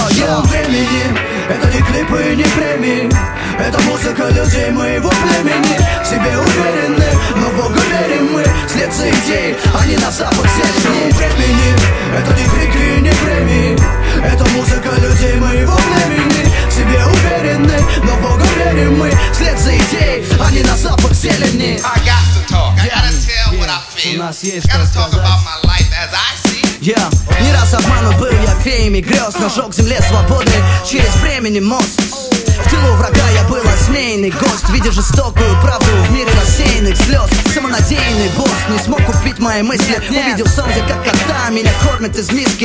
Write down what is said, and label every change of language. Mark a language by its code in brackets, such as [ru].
[ru] Шум времени, это не клипы и не премии, это музыка людей моего племени. В себе уверены, но в Бога верим мы. Вслед за идеей, они на запах все. Шум времени, это не крики и не премии, это музыка людей моего племени. В себе уверены, но в Бога верим мы. Вслед за идеей, они на запах зелени. [en] I got to talk, I gotta tell what I feel. I gotta talk about my life as I see. Yeah. [ru] Не раз обманут был я феями грез, но шел к земле свободный через времени мост. В тылу врага я был осмеянный гость, видя жестокую правду в мире рассеянных слез. Самонадеянный босс не смог купить мои мысли. Увидел солнце, как кота, меня кормят из миски.